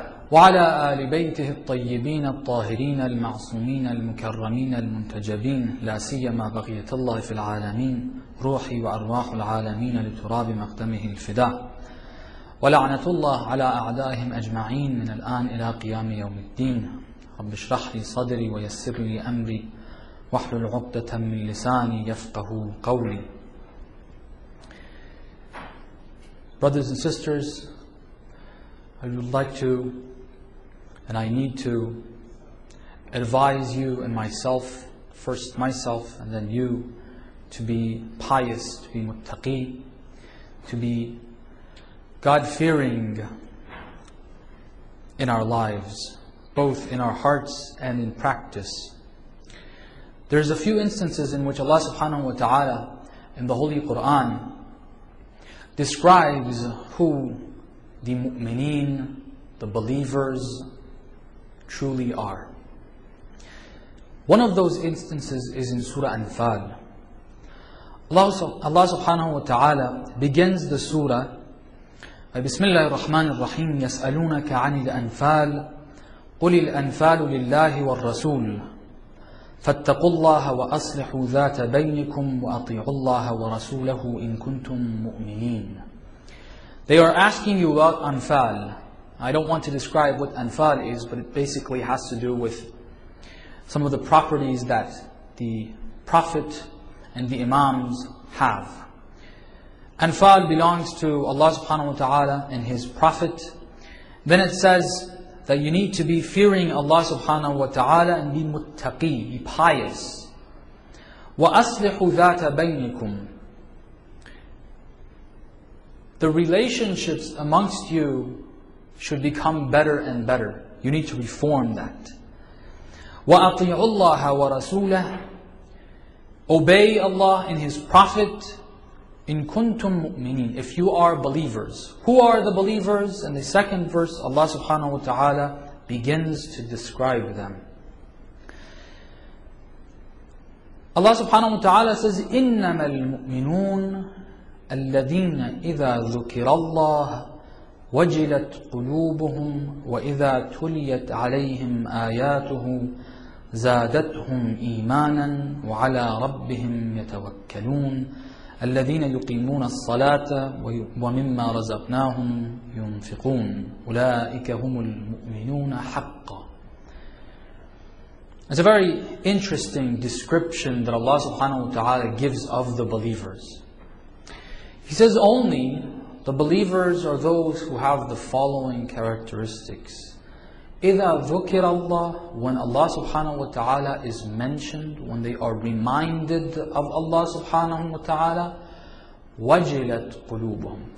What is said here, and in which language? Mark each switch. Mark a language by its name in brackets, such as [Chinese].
[Arabic] وعلى آل بيته الطيبين الطاهرين المعصومين المكرمين المنتجبين، لا سيما بقية الله في العالمين، روحي وأرواح العالمين لتراب مقدمه الفداء، ولعنة الله على أعدائهم أجمعين من الآن إلى قيام يوم الدين. رب اشرح لي صدري ويسر لي أمري واحلل عقدة من لساني يفقه قولي. [English] Brothers and sisters, I would like to and I need to advise you and myself, first myself and then you, to be pious, to be muttaqi, to be God-fearing in our lives, both in our hearts and in practice. There's a few instances in which Allah subhanahu wa ta'ala in the Holy Quran describes who the mu'mineen, the believers, truly are. One of those instances is in Surah Anfal. Allah subhanahu wa ta'ala begins the surah by Bismillah ar-Rahman ar-Rahim, [Arabic] يَسْأَلُونَكَ عَنِ الْأَنْفَالِ قُلِ الْأَنْفَالُ لِلَّهِ وَالرَّسُولِ فَاتَّقُوا اللَّهَ وَأَصْلِحُوا ذَاتَ بَيْنِكُمْ وَأَطِيعُوا اللَّهَ وَرَسُولَهُ إِن كُنْتُم مُؤْمِنِينَ. [English] They are asking you about Anfal. I don't want to describe what anfal is, but it basically has to do with some of the properties that the Prophet and the Imams have. Anfal belongs to Allah subhanahu wa ta'ala and His Prophet. Then it says that you need to be fearing Allah subhanahu wa ta'ala and be muttaqi, be pious. [Arabic] وَأَصْلِحُ ذَاتَ بَيْنِكُمْ. [English] The relationships amongst you should become better and better. You need to reform that. [Arabic] وَأَطِيعُ اللَّهَ وَرَسُولَهُ. [English] Obey Allah and His Prophet. [Arabic] إِن كُنْتُم مُؤْمِنِينَ. [English] If you are believers. Who are the believers? And the second verse, Allah subhanahu wa ta'ala begins to describe them. Allah subhanahu wa ta'ala says, [Arabic] إِنَّمَا الْمُؤْمِنُونَ الَّذِينَ إِذَا ذُكِرَ اللَّهَ وَجِلَتْ قُلُوبُهُمْ وَإِذَا تُلِيَتْ عَلَيْهِمْ آيَاتُهُ زَادَتْهُمْ إِيمَانًا وَعَلَى رَبِّهِمْ يَتَوَكَّلُونَ الَّذِينَ يُقِيمُونَ الصَّلَاةَ وَمِمَّا رَزَقْنَاهُمْ يُنْفِقُونَ أُولَئِكَ هُمُ الْمُؤْمِنُونَ حَقًّا. [English] It's a very interesting description that Allah subhanahu wa ta'ala gives of the believers. He says only the believers are those who have the following characteristics. [Arabic] إِذَا ذُكِرَ اللَّهِ. [English] When Allah subhanahu wa ta'ala is mentioned, when they are reminded of Allah subhanahu wa ta'ala, [Arabic] وَجِلَتْ قُلُوبُهُمْ.